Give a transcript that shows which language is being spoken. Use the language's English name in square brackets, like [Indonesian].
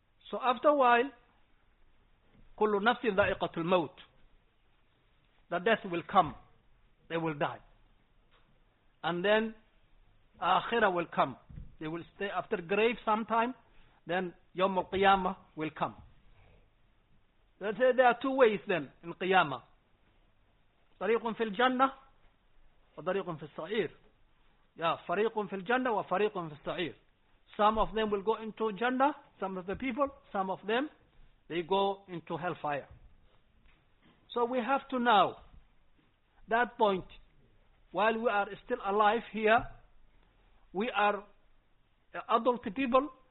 [English] So after a while, [Arabic] كل نفس ذائقة الموت. [English] The death will come. They will die. And then akhirah will come. They will stay after grave sometime. Then [Arabic] يوم القيامة [English] will come. Let's say there are two ways then in qiyamah. [Arabic] طريق في الجنة وطريق في السعير. Yeah, فريق في الجنة وفريق في السعير. [English] Some of them will go into Jannah, some of the people, some of them they go into hellfire. So we have to know that point. While we are still alive here, we are adult people.